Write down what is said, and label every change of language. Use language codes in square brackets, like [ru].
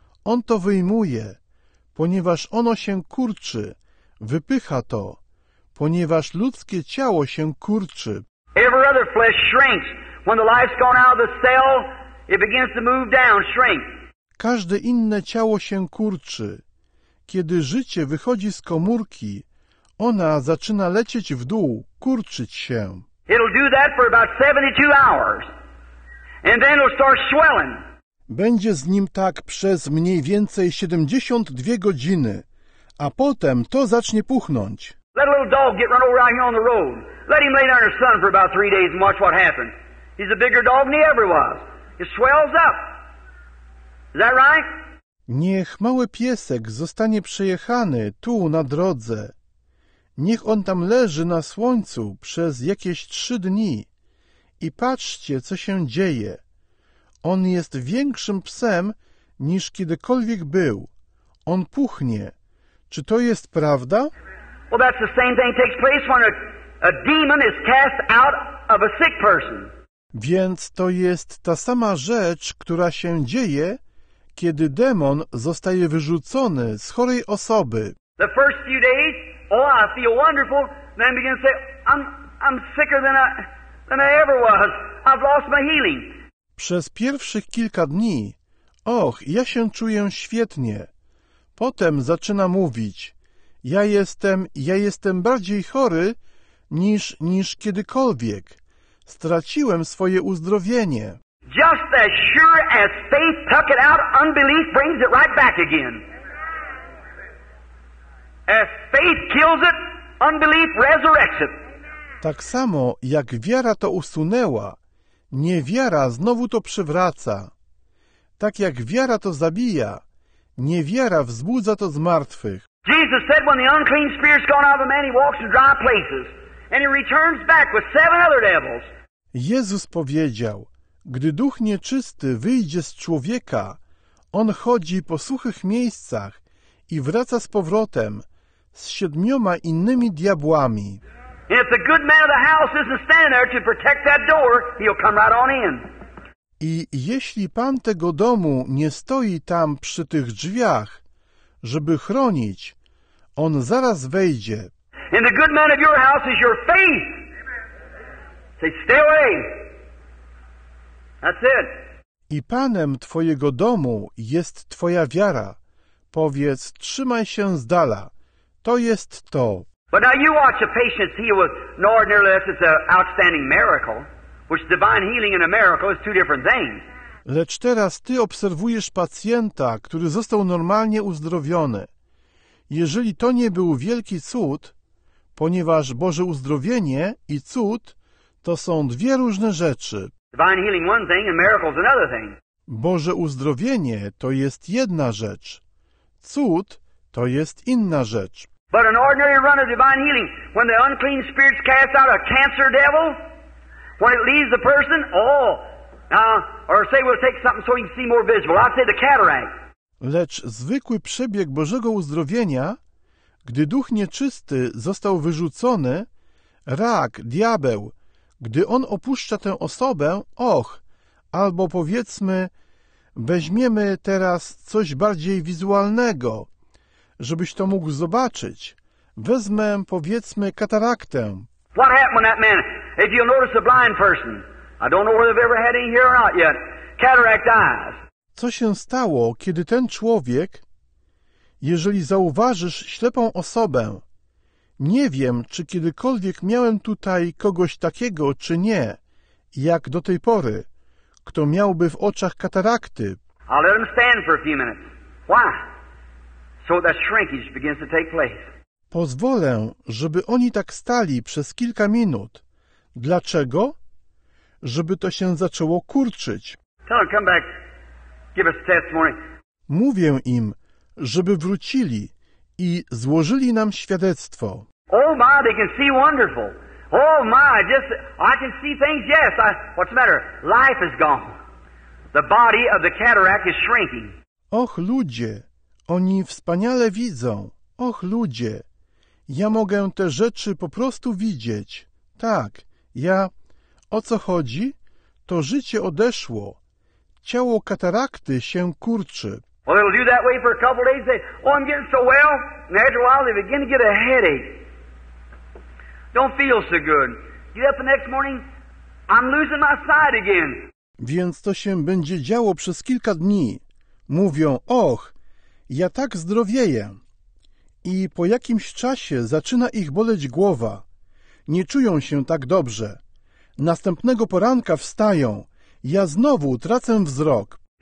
[pl] On to wyjmuje, ponieważ ono się kurczy, wypycha to, ponieważ ludzkie ciało się kurczy. [en] Every other flesh shrinks. When the life's gone out of the cell, it begins to move down, shrink. [pl] Każde inne ciało się kurczy. Kiedy życie wychodzi z komórki, ona zaczyna lecieć w dół, kurczyć się. [en] It'll do that for about 72 hours. And then it'll start swelling. [pl] Będzie z nim tak przez mniej więcej 72 godziny, a potem to zacznie puchnąć. [en] Let a little dog get run over out here on the road. Let him lay down in the sun for about 3 days and watch what happens. He's a bigger dog than he ever was. It swells up. Is that right? [pl] Niech mały piesek zostanie przejechany tu na drodze. Niech on tam leży na słońcu przez jakieś 3 dni. I patrzcie, co się dzieje. On jest większym psem niż kiedykolwiek był. On puchnie. Czy to jest prawda? [en] Well, that's the same thing takes place when a demon is cast out of a sick person. [pl] Więc to jest ta sama rzecz, która się dzieje, kiedy demon zostaje wyrzucony z chorej osoby. [en] The first few days, oh, I feel wonderful. Then begin to say, I'm sicker than I ever was. I've lost my healing. [pl] Przez pierwszych kilka dni, och, ja się czuję świetnie. Potem zaczyna mówić, ja jestem bardziej chory niż kiedykolwiek. Straciłem swoje uzdrowienie. [en] Just as sure as faith tuck it out, unbelief brings it right back again. As faith kills it, unbelief resurrects it. [pl] Tak samo jak wiara to usunęła, niewiara znowu to przywraca. Tak jak wiara to zabija, niewiara wzbudza to z martwych. [en] Jesus said when the unclean spirit's gone out of a man, he walks in dry places and he returns back with 7 other devils. [pl] Jezus powiedział, gdy duch nieczysty wyjdzie z człowieka, on chodzi po suchych miejscach i wraca z powrotem z 7 innymi diabłami. [en] If the good man of the house isn't standing there to protect that door, he'll come right on in. [pl] I jeśli pan tego domu nie stoi tam przy tych drzwiach, żeby chronić, on zaraz wejdzie. [en] And the good man of your house is your faith. Say, stay away. That's it. [pl] I panem twojego domu jest twoja wiara. Powiedz, trzymaj się z dala. To jest to. [en] But now you watch a patient heal with no ordinary less, it's an outstanding miracle. Which divine healing and a miracle is two different things. [pl] Lecz teraz ty obserwujesz pacjenta, który został normalnie uzdrowiony. Jeżeli to nie był wielki cud, ponieważ Boże uzdrowienie i cud to są dwie różne rzeczy. [en] Divine healing one thing and miracle is another thing. [pl] Boże uzdrowienie to jest jedna rzecz. Cud to jest inna rzecz. [en] But an ordinary run of divine healing, when the unclean spirits cast out a cancer devil, when it leaves the person, oh, or say we'll take something so you can see more visible. I'll say the cataract. [pl] Lecz zwykły przebieg Bożego uzdrowienia, gdy duch nieczysty został wyrzucony, rak, diabeł, gdy on opuszcza tę osobę, och, albo powiedzmy, weźmiemy teraz coś bardziej wizualnego, żebyś to mógł zobaczyć. Wezmę, powiedzmy, kataraktę. [en] What happened to that man? If you'll notice the blind person, I don't know whether they've ever had any here or not yet. Cataract eyes. [pl] Co się stało, kiedy ten człowiek, jeżeli zauważysz ślepą osobę, nie wiem, czy kiedykolwiek miałem tutaj kogoś takiego, czy nie, jak do tej pory, kto miałby w oczach katarakty. [en] I'll let him stand for a few minutes. Why? So that shrinkage begins to take place. [pl] Pozwolę, żeby oni tak stali przez kilka minut. Dlaczego? Żeby to się zaczęło kurczyć. [en] Tell them, come back. Give us a testimony. [pl] Mówię im, żeby wrócili i złożyli nam świadectwo. [en] Oh my, they can see wonderful. Oh my, just I can see things. Yes, I, what's the matter? Life is gone. The body of the cataract is shrinking. [pl] Och ludzie, oni wspaniale widzą. Och ludzie, ja mogę te rzeczy po prostu widzieć. Tak, ja. O co chodzi? To życie odeszło. Ciało katarakty się kurczy. [en] Well, it'll do that way for a couple of days. They say, oh, I'm getting so well. And after a while, they begin to get a headache. Don't feel so good. Get up the next morning, I'm losing my sight again. [pl] Więc to się będzie działo przez kilka dni. Mówią, och, ja tak zdrowieję. I po jakimś czasie zaczyna ich boleć głowa. Nie czują się tak dobrze. Następnego poranka wstają. Ja znowu tracę wzrok.